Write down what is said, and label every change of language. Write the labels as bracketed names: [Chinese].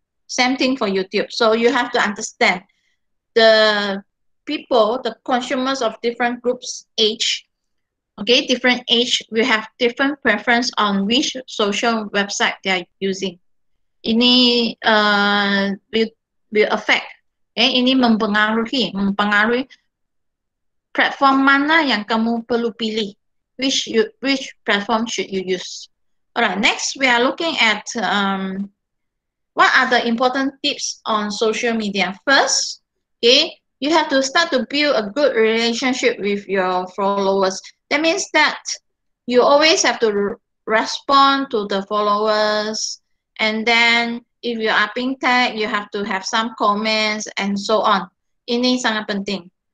[English] Same thing for YouTube. So you have to understand the people, the consumers of different groups' age. Okay, different age will have different preference on which social website they are using. [Malay] Ini [English] will affect. Okay? [Malay] Ini mempengaruhi platform mana yang kamu perlu pilih. [English] Which platform should you use? Alright, next we are looking at what are the important tips on social media. First, okay, you have to start to build a good relationship with your followers. That means that you always have to respond to the followers, and then if you are being tagged, you have to have some comments and so on. [Malay] Ini sangat penting.